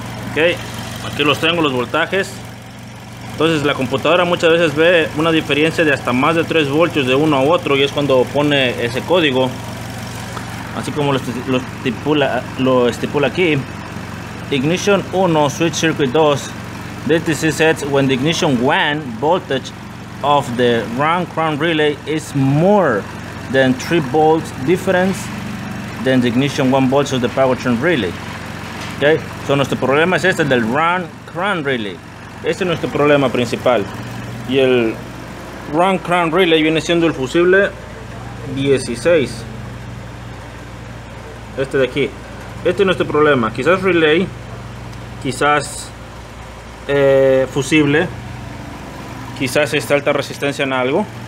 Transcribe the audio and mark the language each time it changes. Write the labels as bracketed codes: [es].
[es] Ok, aquí los tengo, los voltajes. Entonces, la computadora muchas veces ve una diferencia de hasta más de 3 voltios de uno a otro, y es cuando pone ese código, así como lo estipula aquí. [en] Ignition 1, switch circuit 2. DTC sets when the ignition 1 voltage of the run crank relay is more than 3 volts difference than the ignition 1 voltage of the powertrain relay. [es] Ok, so nuestro problema es este del run crank relay. Este es nuestro problema principal. Y el run crank relay viene siendo el fusible 16. Este de aquí, este es nuestro problema. Quizás relay, quizás fusible, quizás esta alta resistencia en algo.